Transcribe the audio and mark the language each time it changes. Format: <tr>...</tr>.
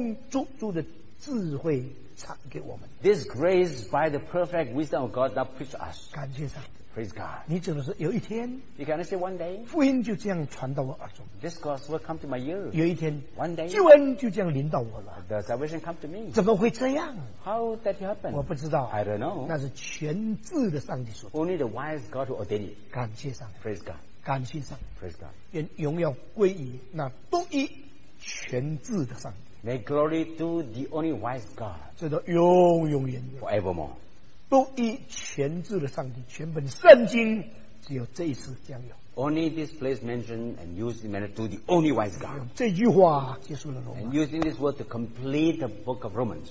<zh>这恩典是借着上帝充充足足的智慧。</zh> <en>This grace by the perfect wisdom of God that preached us.</en> <zh>感谢上帝,</zh> <en>Praise God.</en> <zh>你只能说有一天,</zh> <en>you can say one day.</en> <zh>福音就这样传到我耳中,</zh> <en>this gospel come to my ear.</en> <zh>有一天,</zh> <en>one day.</en> <zh>救恩就这样临到我了,</zh> <en>the salvation come to me.</en> <zh>怎么会这样?</zh> <en>How that happened?</en> <zh>我不知道,</zh> <en>I don't know.</en> <zh>那是全智的上帝说的。</zh> <en>Only the wise God who ordained it.</en> <zh>感谢上帝,</zh> <en>Praise God.</en> <zh>感谢上帝,</zh> <en>Praise God.</en> <zh>愿荣耀归于那独一全智的上帝。</zh> <en>May glory to the only wise God.</en> <zh>这都永永远远,</zh> <en>forevermore.</en> <zh>独一全智的上帝, 全本圣经, 只有这一次这样有。</zh> <en>Only this place mentioned and used in manner to the only wise God.</en> <zh>这句话结束了罗马,</zh> <en>and using this word to complete the book of Romans.</en>